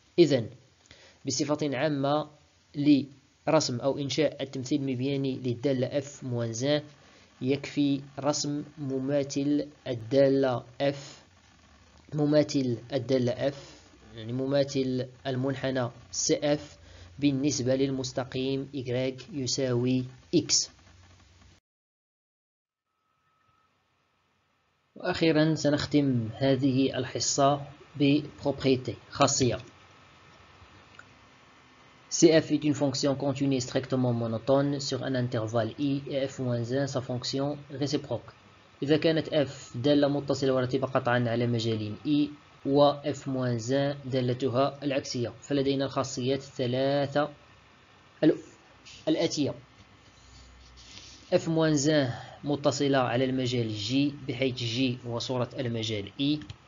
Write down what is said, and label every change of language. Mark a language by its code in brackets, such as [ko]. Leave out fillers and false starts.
[ar] إذن بصفة عامة لرسم أو إنشاء التمثيل المبياني للدالة F موانزا يكفي رسم مماثل الدالة F، مماثل الدالة F يعني مماثل المنحنى CF بالنسبة للمستقيم Y يساوي X. وأخيرا سنختم هذه الحصة ببروبريتي خاصية. [fr] CF est une fonction continue strictement monotone sur un intervalle I et F-1 sa fonction réciproque. [ar] إذا كانت F دالة متصلة ورتيبة قطعا على مجالين I و f-1 دالتها العكسية، فلدينا الخاصيات الثلاثة الآتية: f-1 متصلة على المجال G بحيث G هو صورة المجال E.